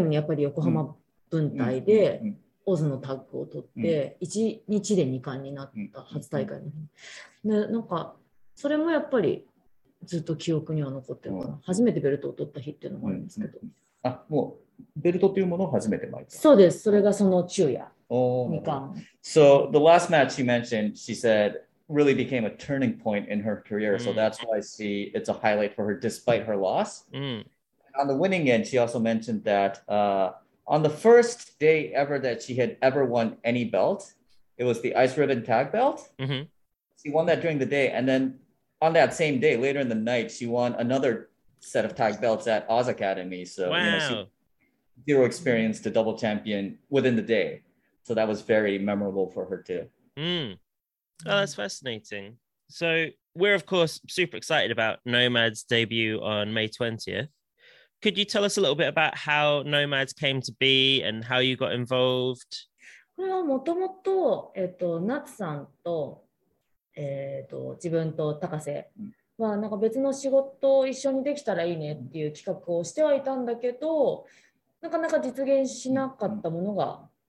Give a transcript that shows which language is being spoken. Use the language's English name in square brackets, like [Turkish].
[Japanese] いや、多分すごい天気だったと思います。私のキャリアの天気になったと思うし、もう一つは、1日で初体感、そのタッグ初体感した日にタッグ2冠になったんですよね。アイスでタッグを取った後に、夜、オズアカデミーにやっぱり横浜分隊で、 オズのタッグを取って1日で2冠になった初大会。なんかそれもやっぱりずっと記憶には残ってるかな。初めてベルトを取った日っていうのもありますけど。あ、もうベルトっていうものを初めて巻いた。そうです。それがその昼夜2冠。 [English] So the last match you mentioned, she said really became a turning point in her career. Mm. So that's why it's a highlight for her, despite her loss. Mm. On the winning end, she also mentioned that on the first day ever that she had ever won any belt, it was the Ice Ribbon Tag Belt. Mm-hmm. She won that during the day. And then on that same day, later in the night, she won another set of tag belts at Oz Academy. So wow. You know, she had zero experience to double champion within the day. So that was very memorable for her too. Mm. Oh, that's fascinating. So we're, of course, super excited about Nomad's debut on May 20th. Could you tell us a little bit about how Nomad's came to be and how you got involved? Well, [Japanese] もともと、夏さんと、自分と高瀬は、なんか別の仕事を一緒にできたらいいねっていう企画をしてはいたんだけど、なかなか実現しなかったものが、